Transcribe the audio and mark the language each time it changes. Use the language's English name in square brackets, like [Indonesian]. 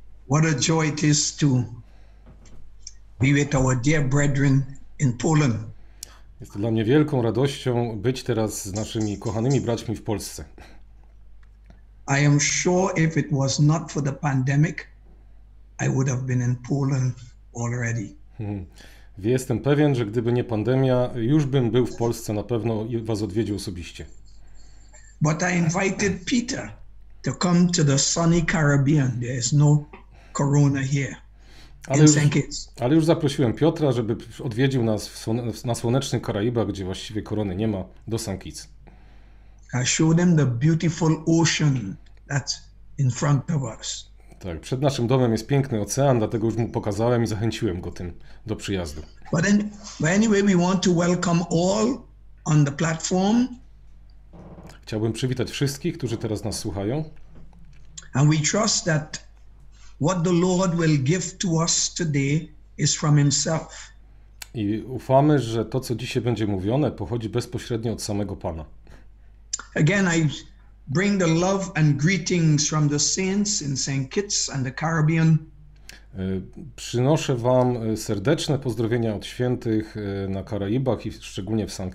[English] What a joy it is to be with our dear brethren in Poland. [Polish] Jest dla mnie wielką radością być teraz z naszymi kochanymi braćmi w Polsce. [English] I am sure if it was not for the pandemic, I would have been in Poland already. [Polish] Jestem pewien, że gdyby nie pandemia, już bym był w Polsce na pewno i was odwiedził osobiście. [English] But I invited Peter to come to the sunny Caribbean. There is no corona here. [Polish] Ale już zaprosiłem Piotra, żeby odwiedził nas na słonecznych Karaibach, gdzie właściwie korony nie ma, do St. Kitts. [English] I showed them the beautiful ocean that's in front of us. [Polish] Tak, przed naszym domem jest piękny ocean, dlatego już mu pokazałem i zachęciłem go tym do przyjazdu. [English] But anyway, we want to welcome all on the platform. [Polish] Chciałbym przywitać wszystkich, którzy teraz nas słuchają. [English] And we trust that what the Lord will give to us today is from Himself. [Polish] I ufamy, że to, co dzisiaj będzie mówione, pochodzi bezpośrednio od samego Pana. [English] Again, I bring the love and greetings from the saints in St. Kitts and the Caribbean. [Polish] Przynoszę wam serdeczne pozdrowienia od świętych na Karaibach i szczególnie w St.